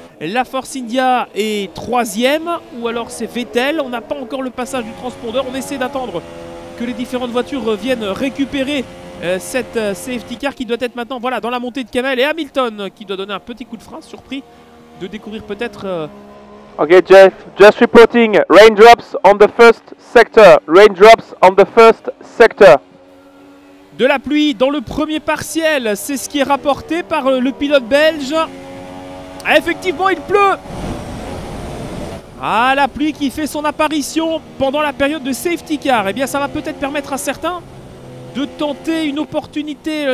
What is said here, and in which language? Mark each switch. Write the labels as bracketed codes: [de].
[fr] La Force India est troisième, ou alors c'est Vettel. On n'a pas encore le passage du transpondeur. On essaie d'attendre que les différentes voitures viennent récupérer cette safety car qui doit être maintenant, voilà, dans la montée de Kamel. Et Hamilton qui doit donner un petit coup de frein, surpris de découvrir peut-être... [en] Ok, Jeff, just reporting, raindrops on the first sector, raindrops on the first sector. [fr] De la pluie dans le premier partiel, c'est ce qui est rapporté par le pilote belge. Effectivement, il pleut. Ah, la pluie qui fait son apparition pendant la période de safety car. Eh bien, ça va peut-être permettre à certains de tenter une opportunité.